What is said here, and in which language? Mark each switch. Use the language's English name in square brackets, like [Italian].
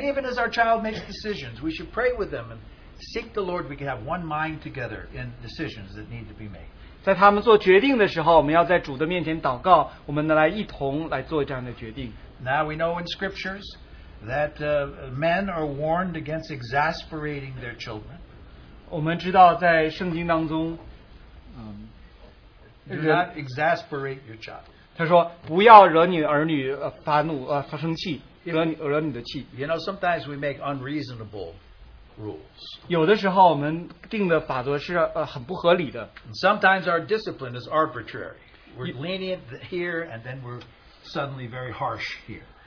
[English] even as our child makes decisions, we should pray with them and seek the Lord we can have one mind together in decisions that need to be made. [Chinese] 在他们做决定的时候，我们要在主的面前祷告，我们来一同来做这样的决定。 [English] Now we know in scriptures that men are warned against exasperating their children. [Chinese] 我们知道在圣经当中, [English] do not exasperate your child. [Chinese] 他说不要惹你儿女发怒，发生气，惹你的气。 [English] You know, sometimes we make unreasonable rules. [Chinese] 有的时候我们定的法则是很不合理的。 [English] Sometimes our discipline is arbitrary. We're lenient here, and then we're suddenly very harsh here.